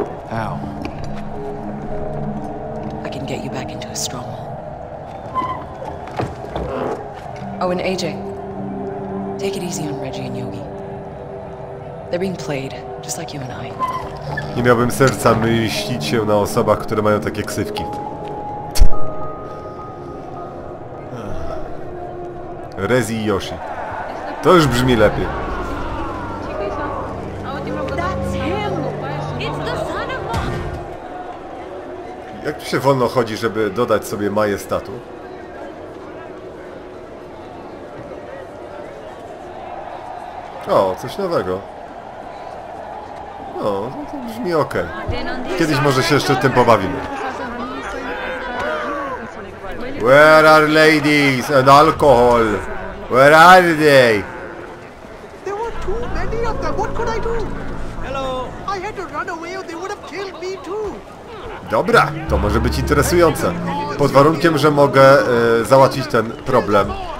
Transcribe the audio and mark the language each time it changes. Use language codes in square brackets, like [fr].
[en] How? Get you back into a stronghold. Oh, and AJ, take it easy on Reggie and Yogi. They're being played, just like you and I. [pl] Nie miałbym serca myślić się na osobach, które mają takie ksywki. Rezi i Yoshi. To już brzmi lepiej. Jak tu się wolno chodzi, żeby dodać sobie majestatu? O, coś nowego. No, to brzmi ok. Kiedyś może się jeszcze tym pobawimy. [en] Where are ladies and alcohol? Where are they? There were too many of them. What could I do? Hello. I had to run away or they would have killed me too. [pl] Dobra, to może być interesujące. Pod warunkiem, że mogę załatwić ten problem.